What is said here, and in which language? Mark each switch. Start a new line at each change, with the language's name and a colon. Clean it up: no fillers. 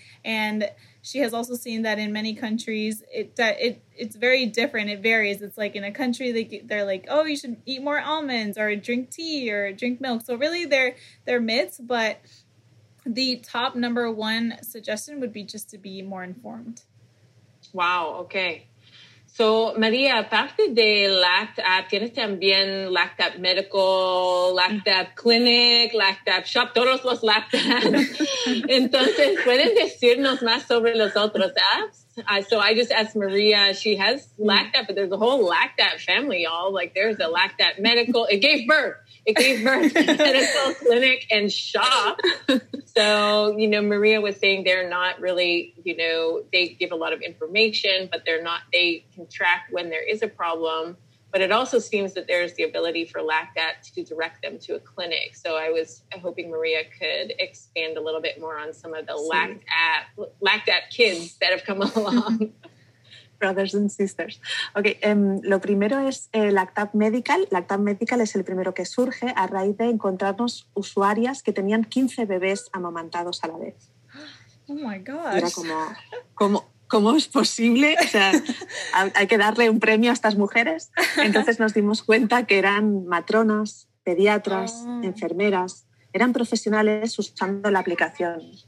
English: And she has also seen that in many countries, it's very different. It varies. It's like in a country, they're like, oh, you should eat more almonds or drink tea or drink milk. So really they're myths, but the top number one suggestion would be just to be more informed. Wow. Okay.
Spanish: So, María, aparte de LactApp, ¿tienes también LactApp Medical, LactApp Clinic, LactApp Shop, todos los LactApps? Entonces, ¿puedes decirnos más sobre los otros apps?
English: So I just asked Maria, she has LactApp, but there's a whole LactApp family, y'all. Like, there's a LactApp medical, it gave birth medical clinic and shop. So, you know, Maria was saying they're not really, you know, they give a lot of information, but they're not, they can track when there is a problem. But it also seems that there's the ability for LactApp to direct them to a clinic. So I was hoping Maria could expand a little bit more on some of the LactApp kids that have come along. Brothers and sisters. Okay,
Spanish: lo primero es LactApp Medical. LactApp Medical es el primero que surge a raíz de encontrarnos usuarias que tenían 15 bebés amamantados a la vez.
English: Oh my gosh.
Spanish: Era como... ¿Cómo es posible? O sea, hay que darle un premio a estas mujeres. Entonces nos dimos cuenta que eran matronas, pediatras, enfermeras, eran profesionales usando la aplicación.